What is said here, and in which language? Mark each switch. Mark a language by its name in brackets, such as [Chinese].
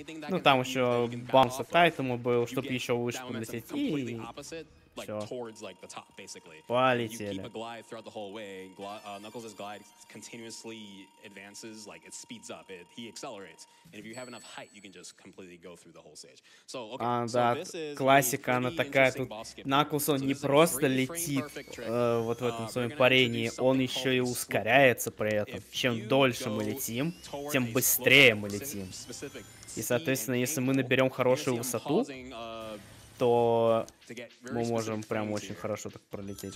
[Russian] Ну, там еще бамс от Тайтема был, чтобы еще выше подлететь, и... [English] like sure. towards like the top, basically. [Russian] Полетели. [English] You keep a glide throughout the whole way. Knuckles' glide continuously advances, like it speeds up, he accelerates. And if you have enough height, you can just completely go through the whole stage. So, okay, so [Russian] да, [English] this is [Russian] классика, она такая тут. Knuckles, он не просто летит вот в этом своем парении, он еще и ускоряется при этом. Чем дольше мы летим, тем быстрее мы летим. И, соответственно, если мы наберем хорошую высоту, то мы можем прям очень хорошо так пролететь.